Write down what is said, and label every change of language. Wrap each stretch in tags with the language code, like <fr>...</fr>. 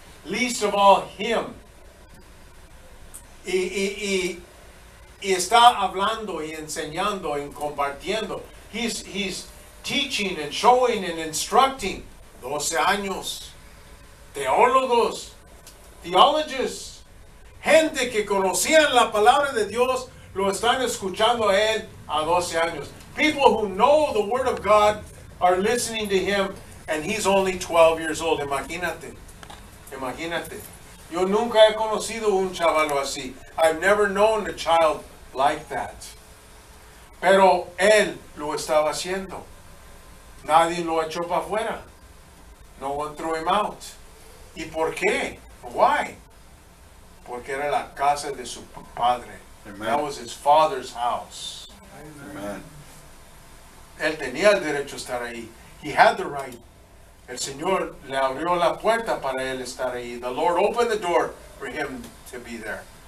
<en>Least of all him.</en> <es>Y está hablando y enseñando y compartiendo.</es> <en>He's teaching and showing and instructing.</en> <es>12 años. Teólogos.</es> <en>Theologists.</en> <es>Gente que conocían la palabra de Dios lo están escuchando a él a 12 años.</es> <en>People who know the word of God are listening to him, and he's only 12 years old.</en> <es>Imagínate. Imagínate. Yo nunca he conocido un chavalo así.</es> <en>I've never known a child like that.</en> <es>Pero él lo estaba haciendo. Nadie lo echó para afuera.</es> <en>No one threw him out.</en> <es>¿Y por qué?</es> <en>Why?</en> <es>Porque era la casa de su padre.</es> <en>Amen. That was his father's house. Amen.</en> <es>Él tenía el derecho a estar ahí.</es> <en>He had the right.</en> <es>El Señor le abrió la puerta para él estar ahí.</es> <en>The Lord opened the door for him to be there.</en>